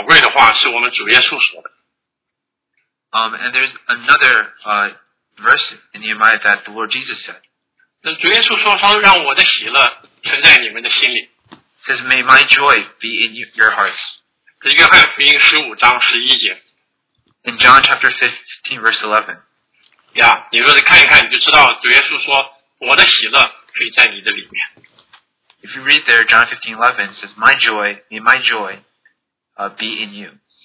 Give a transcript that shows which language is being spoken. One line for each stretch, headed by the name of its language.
Chinese: 那圣经里还有一个很宝贵的话，是我们主耶稣说的。
English: And there's another verse in Nehemiah that the Lord Jesus said.
Chinese: 那主耶稣说，让我的喜乐存在你们的心里。
English: Says, may my joy be in your hearts.
Chinese: 这约翰福音15章11节。
English: In John chapter 15, verse 11.
Chinese: Yeah, 你若是看一看，你就知道主耶稣说，我的喜乐可以在你的里面。
English: If you read there, John 15, 11 says, "My joy, may my joy, be in you."